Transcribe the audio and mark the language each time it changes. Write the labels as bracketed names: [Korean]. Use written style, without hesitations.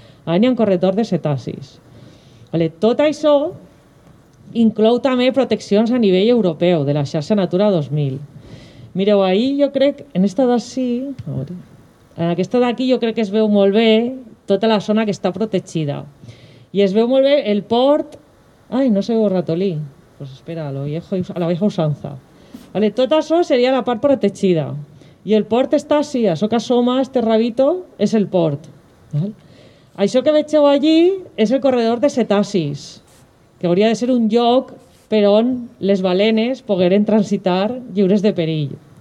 [Catalan] Allà hi ha un corredor de cetacis. Vale, tot això inclou també proteccions a nivell europeu de la xarxa Natura 2000. Mireu, ahir jo crec, en aquesta d'ací, en aquesta d'aquí jo crec que es veu molt bé tota la zona que està protegida. I es veu molt bé el port... Ai, no se veu ratolí. [Spanish] Pues espera, a la vieja usanza. [Catalan] Vale, tot això seria la part protegida. I el port està així, això que [Spanish] asoma, este rabito, [Catalan] és el port. Vale? Això que vegeu allí és el corredor de cetacis, que hauria de ser un lloc per on les balenes pogueren transitar lliures de perill.